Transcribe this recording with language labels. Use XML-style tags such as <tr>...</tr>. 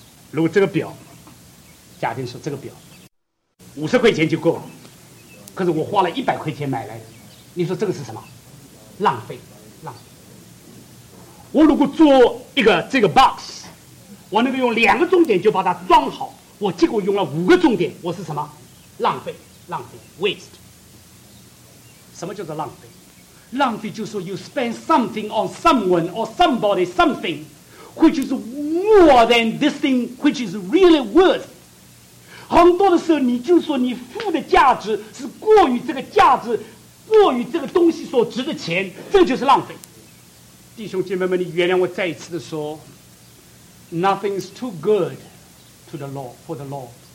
<zh>如果这个表，假定说这个表50块钱就够了，可是我花了100块钱买来的，你说这个是什么？浪费，浪费。我如果做一个这个 box， 我能够用2个重点就把它装好，我结果用了5个重点，我是什么？浪费，浪费 waste。什么叫做浪费？浪费就是说</zh> <en>you spend something on someone or somebody something which is more than this thing which is really worth。</en> <zh>很多的时候你就说你付的价值是过于这个价值，过于这个东西所值的钱，这就是浪费。弟兄姐妹们，你原谅我再一次的说，</zh> <en>nothing is too good for the Lord,</en>